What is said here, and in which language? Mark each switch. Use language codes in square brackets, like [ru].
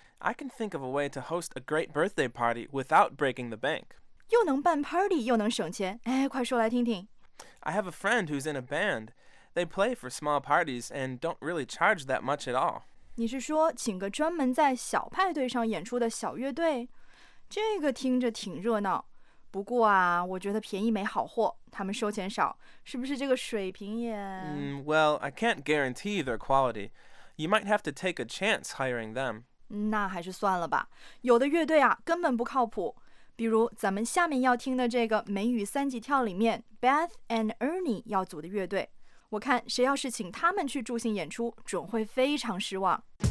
[en] I can think of a way to host a great birthday party without breaking the bank. [zh] 又能办 party 又能省钱，哎，快说来听听。 [en] I have a friend who's in a band. They play for small parties and don't really charge that much at all. [zh] 你是说请个专门在小派对上演出的小乐队？这个听着挺热闹。不过啊，我觉得便宜没好货，他们收钱少，是不是这个水平也？ [en] Well, I can't guarantee their quality. You might have to take a chance hiring them. [zh] 那还是算了吧，有的乐队啊根本不靠谱，比如咱们下面要听的这个美语三级跳里面 Beth and Ernie 要组的乐队，我看谁要是请他们去助兴演出准会非常失望。